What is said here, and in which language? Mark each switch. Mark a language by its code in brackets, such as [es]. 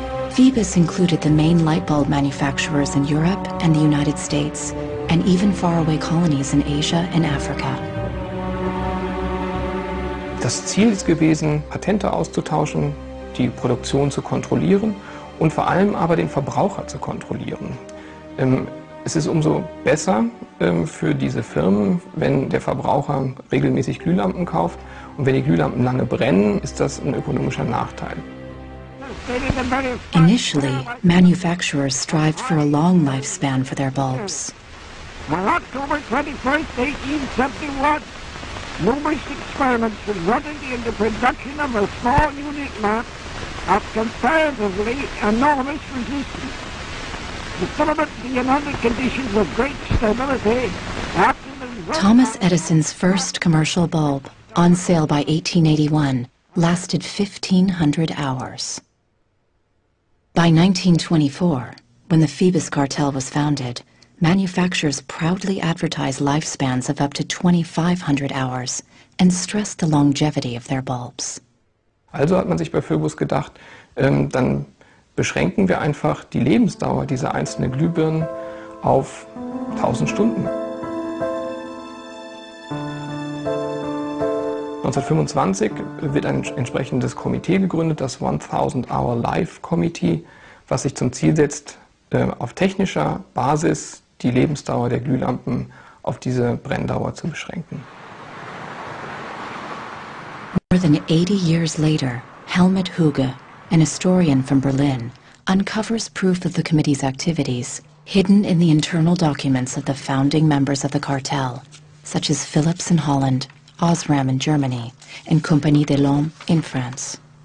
[en] Phoebus included the main light bulb manufacturers in Europe and the United States and even faraway colonies in Asia and Africa. [de] Das Ziel ist gewesen, Patente auszutauschen, die Produktion zu kontrollieren und vor allem aber den Verbraucher zu kontrollieren. Es ist umso besser für diese Firmen, wenn der Verbraucher regelmäßig Glühlampen kauft. Und wenn die Glühlampen lange brennen, ist das ein ökonomischer Nachteil. [en] Initially, manufacturers strived for a long lifespan for their bulbs. On October 21st, 1871, numerous experiments resulted in the production of a small unit lamp of comparatively enormous resistance. The filament being under conditions of great stability. Thomas Edison's first commercial bulb, on sale by 1881, lasted 1,500 hours. By 1924, when the Phoebus cartel was founded, manufacturers proudly advertised lifespans of up to 2,500 hours and stressed the longevity of their bulbs. [de] Also hat man sich bei Phoebus gedacht, dann beschränken wir einfach die Lebensdauer dieser einzelnen Glühbirnen auf 1,000 Stunden. 1925 wird ein entsprechendes Komitee gegründet, das 1,000 Hour Life Committee, was sich zum Ziel setzt, auf technischer Basis die Lebensdauer der Glühlampen auf diese Brenndauer zu beschränken. [en] More than 80 years later, Helmut Hüge, an historian from Berlin, uncovers proof of the committee's activities hidden in the internal documents of the founding members of the cartel, such as Philips in Holland, Osram in Germany and Compagnie des Lampes in France.